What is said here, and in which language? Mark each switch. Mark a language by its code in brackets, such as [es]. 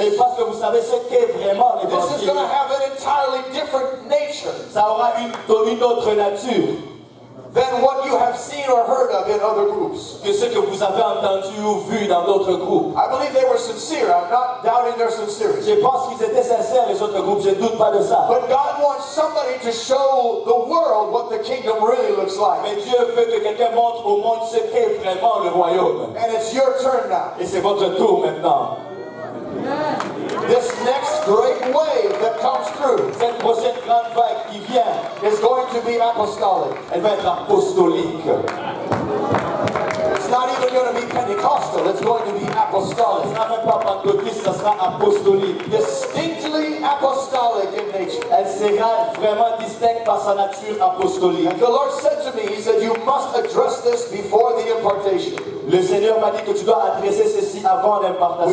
[fr] Et parce que vous savez ce qu'est vraiment l'évangile. [en] This is going to have an entirely different nature. [fr] Ça aura une autre nature. [en] than what you have seen or heard of in other groups. [fr] Que ce que vous avez entendu ou vu dans d'autres groupes. [en] I believe they were sincere. I'm not doubting their sincerity. [fr] Je pense qu'ils étaient sincères, les autres groupes. Je doute pas de ça. [en] But God wants somebody to show the world what the kingdom really looks like. [fr] Mais Dieu veut que quelqu'un montre au monde ce qu'est vraiment le royaume. [en] And it's your turn now. [fr] Et c'est votre tour maintenant. [en] This next great wave that comes through, [fr] cette prochaine grande vague qui vient, [en] is going to be apostolic. [fr] Elle va être apostolique. [en] It's not even going to be Pentecostal. It's going to be apostolic. [fr] Ça n'est pas pentecôtiste, ça sera apostolique. [en] Distinctly apostolic in nature. [fr] Elle sera vraiment distincte par sa nature apostolique. [en] And the Lord said to me, He said, you must address this before the impartation. [fr] Le Seigneur m'a dit que tu dois adresser ceci avant l'impartation.